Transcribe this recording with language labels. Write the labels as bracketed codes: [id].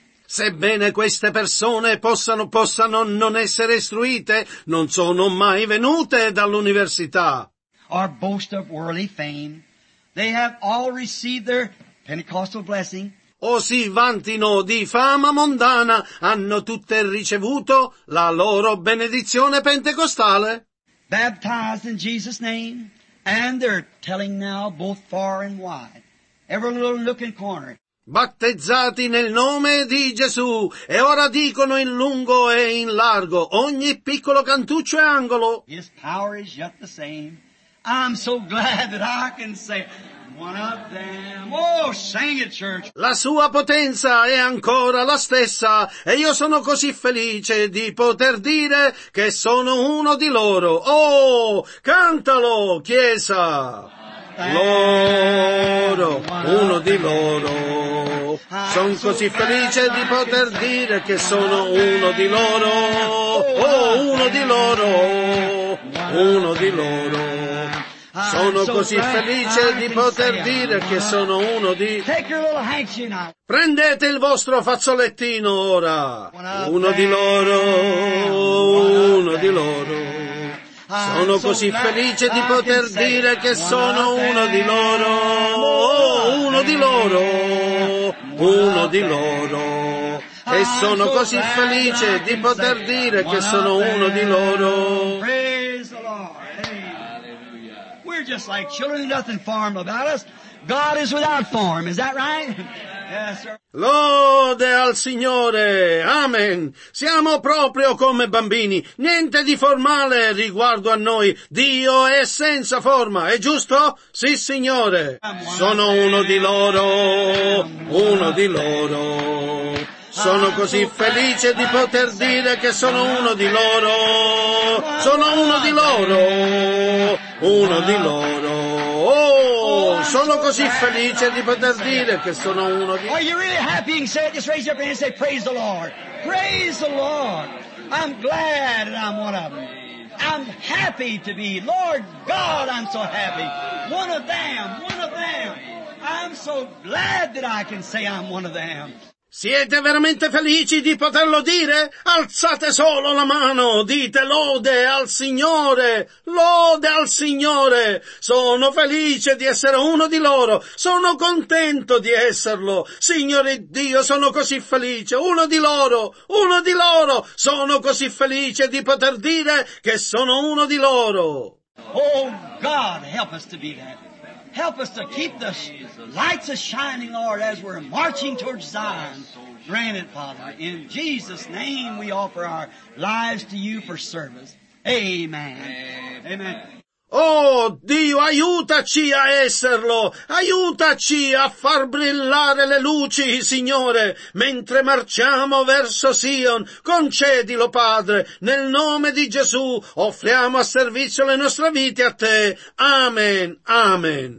[it] Sebbene queste persone possano non essere istruite, non sono mai venute dall'università. [en] Or boast of worldly fame, they have all received their Pentecostal blessing. [it] O si vantino di fama mondana, hanno tutte ricevuto la loro benedizione pentecostale. [en] Baptized in Jesus' name, and they're telling now both far and wide, every little nook and corner. [it] Battezzati nel nome di Gesù, e ora dicono in lungo e in largo, ogni piccolo cantuccio e angolo. [en] His power is yet the same. I'm so glad that I can say, one of them. Oh, sing it, church. [it] La sua potenza è ancora la stessa, e io sono così felice di poter dire che sono uno di loro. Oh, cantalo, chiesa. Loro, uno di loro. Sono così felice di poter dire che sono uno di loro. Oh, uno di loro, uno di loro. Sono così felice di poter dire che sono uno di... Prendete il vostro fazzolettino ora. Uno di loro, uno di loro. Sono così felice di poter dire che sono uno di loro, uno di loro, uno di loro. E sono così felice di poter dire che sono uno di loro. [en] Praise the Lord. Hallelujah. We're just like children, nothing form about us. God is without form, is that right? [it] Lode al Signore, amen. Siamo proprio come bambini, niente di formale riguardo a noi. Dio è senza forma, è giusto? Sì, Signore. Sono uno di loro, uno di loro. Sono così felice di poter dire che sono uno di loro. Sono uno di loro, uno di loro. Sono così felice di poter dire che sono uno di... [en] Are you really happy? You can say it. Just raise your hand and say, praise the Lord. Praise the Lord. I'm glad that I'm one of them. I'm happy to be. Lord God, I'm so happy. One of them, one of them. I'm so glad that I can say I'm one of them. [it] Siete veramente felici di poterlo dire? Alzate solo la mano, dite lode al Signore, lode al Signore. Sono felice di essere uno di loro, sono contento di esserlo. Signore Dio, sono così felice, uno di loro, uno di loro. Sono così felice di poter dire che sono uno di loro. [en] Oh God, help us to be that. Help us to keep the lights a-shining, Lord, as we're marching towards Zion. Grant it, Father. In Jesus' name we offer our lives to you for service. Amen. Amen. [it] Oh, Dio, aiutaci a esserlo. Aiutaci a far brillare le luci, Signore, mentre marciamo verso Sion. Concedilo, Padre, nel nome di Gesù. Offriamo a servizio le nostre vite a Te. Amen, amen.